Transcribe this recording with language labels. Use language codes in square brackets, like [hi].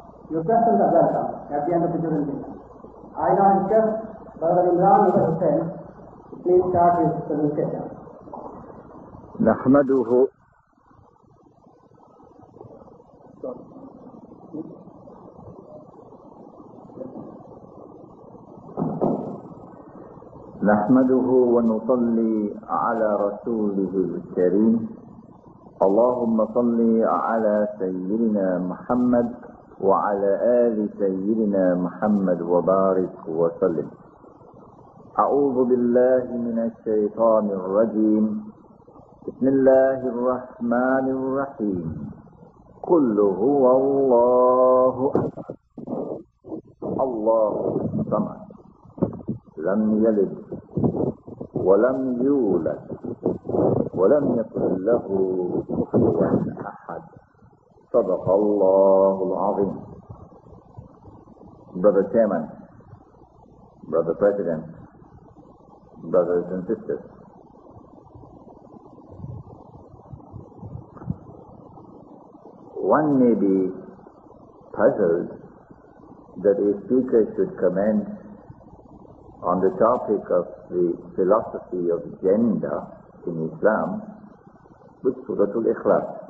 [en] Your questions are welcome at the end of the presentation. I now request Brother Imran Nazar Hosein to please start his presentation. [ar] نحمده نحمده ونصلي على رسوله الكريم اللهم صل على سيدنا محمد وعلى آل سيدنا محمد وبارك وسلم أعوذ بالله من الشيطان الرجيم بسم الله الرحمن الرحيم قل هو الله أحد الله الصمد لم يلد ولم يولد ولم يكن له كفوا أحد صدق الله العظيم. [en] Brother Chairman, Brother President, Brothers and Sisters, one may be puzzled that a speaker should commence on the topic of the philosophy of gender in Islam with Suratul Ikhlas.